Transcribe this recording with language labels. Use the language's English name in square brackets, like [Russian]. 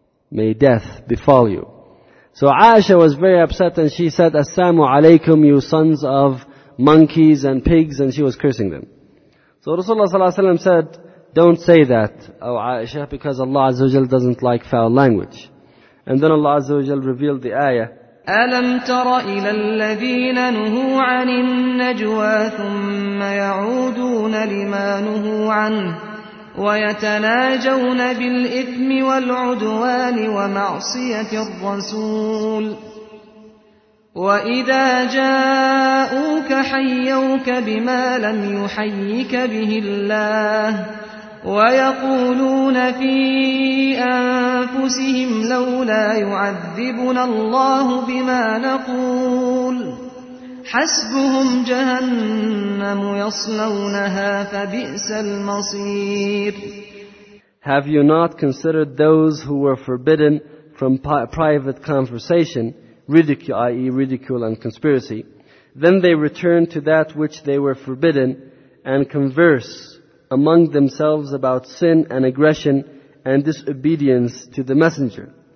[English] May death befall you. So Aisha was very upset and she said, As-salamu alaykum, you sons of monkeys and pigs, and she was cursing them. So Rasulullah sallallahu alayhi wa sallam said, don't say that, O Aisha, because Allah azza wa jal doesn't like foul language. And then Allah azza wa jal revealed the ayah, [Arabic] أَلَمْ تَرَ إِلَى الَّذِينَ نُهُوا عَنِ النَّجْوَى ثُمَّ يَعُودُونَ لِمَا نُهُوا عَنْهُ ويتناجون بالإثم والعدوان ومعصية الرسول وإذا جاءوك حيوك بما لم يحيك به الله ويقولون في أنفسهم لولا يعذبنا الله بما نقول حسبهم جهنم يصلونها فبئس المصير. [English] Have you not considered those who were forbidden from private conversation, ridicule and conspiracy? Then they return to that which they were forbidden and converse among themselves about sin and aggression and disobedience to the messenger.